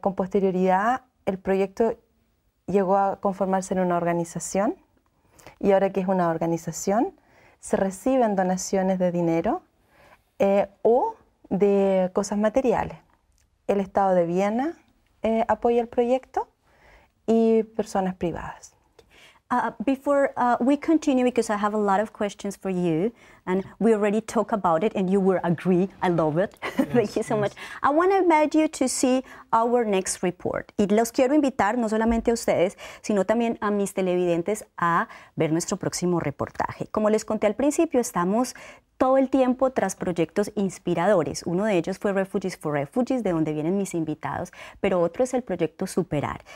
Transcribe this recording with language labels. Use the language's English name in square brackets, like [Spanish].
[Spanish] Con posterioridad, el proyecto llegó a conformarse en una organización y ahora que es una organización, se reciben donaciones de dinero o de cosas materiales. El Estado de Viena apoya el proyecto y personas privadas. [English] Before we continue, because I have a lot of questions for you, and we already talked about it, and you will agree, I love it. Yes, thank you so much. I want to invite you to see our next report. [Spanish] Y los quiero invitar, no solamente a ustedes, sino también a mis televidentes, a ver nuestro próximo reportaje. Como les conté al principio, estamos todo el tiempo tras proyectos inspiradores. Uno de ellos fue Refugees for Refugees, de donde vienen mis invitados, pero otro es el proyecto Superar.